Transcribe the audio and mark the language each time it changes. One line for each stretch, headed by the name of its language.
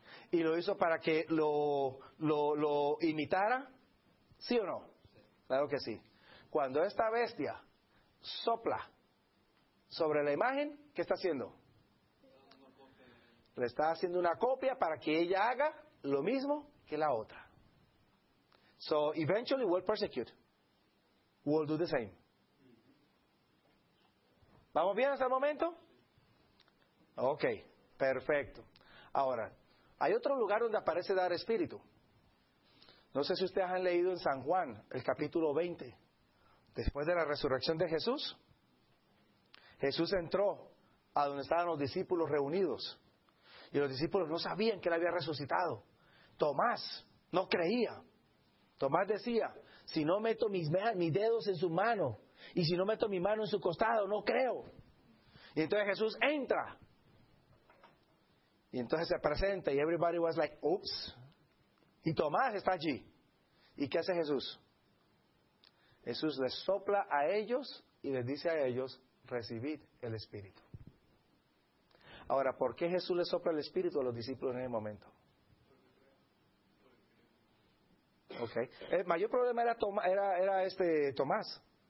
Spanish: ¿Y lo hizo para que lo imitara? ¿Sí o no? Claro que sí. Cuando esta bestia sopla sobre la imagen, ¿qué está haciendo? Le está haciendo una copia para que ella haga lo mismo que la otra.
English: So, eventually we'll persecute. We'll do the same.
Spanish: ¿Vamos bien hasta el momento? Ok, perfecto. Ahora, hay otro lugar donde aparece dar espíritu. No sé si ustedes han leído en San Juan, el capítulo 20. Después de la resurrección de Jesús, Jesús entró a donde estaban los discípulos reunidos. Y los discípulos no sabían que él había resucitado. Tomás no creía. Tomás decía, si no meto mis dedos en su mano, y si no meto mi mano en su costado, no creo. Y entonces Jesús entra. Y entonces se presenta, y
English: everybody was like, oops.
Spanish: Y Tomás está allí. ¿Y qué hace Jesús? Jesús les sopla a ellos y les dice a ellos, recibid el Espíritu. Ahora, ¿por qué Jesús le sopla el Espíritu a los discípulos en ese momento? Okay. El mayor problema era Tomás.